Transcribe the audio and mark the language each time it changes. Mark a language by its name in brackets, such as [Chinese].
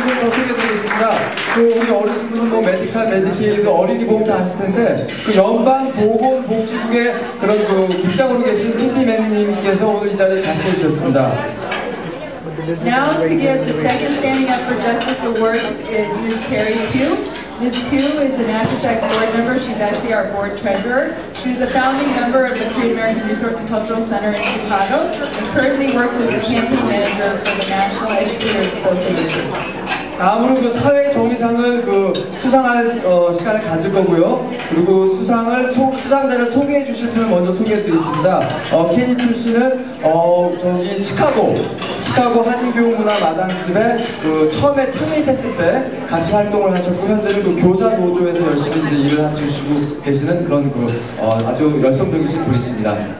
[Korean] 분 더 소개드리겠습니다. 그 우리 어르신분은 뭐 메디칼, 메디케이드, 어린이보험 다 하실 텐데 그 연방보건복지국의 그런 그 국장으로 계신 신디맨님께서 오늘 이 자리에 같이 해주셨습니다. [English] Now to give the second Standing Up for Justice Award is Ms. Carrie Q. Ms. Q is an ACUSEC board member. She's actually our board treasurer. She's a founding member of the Korean American Resource and Cultural Center in Chicago and currently works as a campaign manager for the National Educators Association. [Korean] 다음으로 그 사회정의상을 그 수상할 시간을 가질 거고요. 그리고 수상자를 소개해 주실 분을 먼저 소개해 드리겠습니다. 케니 퓨 씨는 저기 시카고 한인교육문화마당집에 그 처음에 창립했을 때 같이 활동을 하셨고 현재는 그 교사 노조에서 열심히 이제 일을 해주시고 계시는 그런 그 아주 열성적이신 분이십니다.